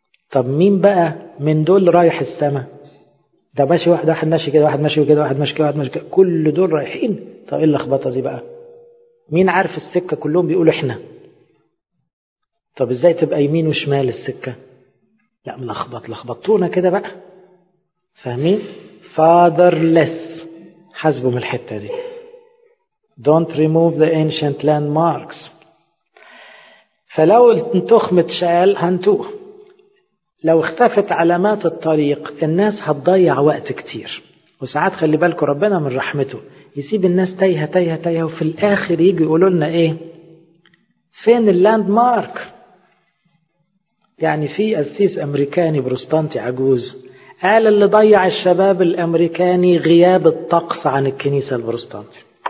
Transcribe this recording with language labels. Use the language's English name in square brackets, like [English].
[Arabic] طب مين بقى من دول رايح السماء؟ ده ماشي واحد، واحد ماشي كده، واحد ماشي كده، واحد ماشي كده، واحد ماشي كده، كل دول رايحين. طب ايه اللخبطة دي بقى؟ مين عارف السكة؟ كلهم بيقولوا احنا. طب ازاي تبقى يمين وشمال السكة؟ لا ملخبط، لخبطتونا كده بقى، فاهمين؟ fatherless. حاسبوا من الحتة دي، [English] don't remove the ancient landmarks. [Arabic] فلو التخم اتشال هنتوه، لو اختفت علامات الطريق الناس هتضيع وقت كتير. وساعات خلي بالكوا ربنا من رحمته يسيب الناس تايهة تايهة تايهة، وفي الآخر يجي يقولوا لنا ايه؟ فين اللاندمارك؟ يعني في قسيس امريكاني بروستانتي عجوز قال اللي ضيع الشباب الامريكاني غياب الطقس عن الكنيسة البروستانتي.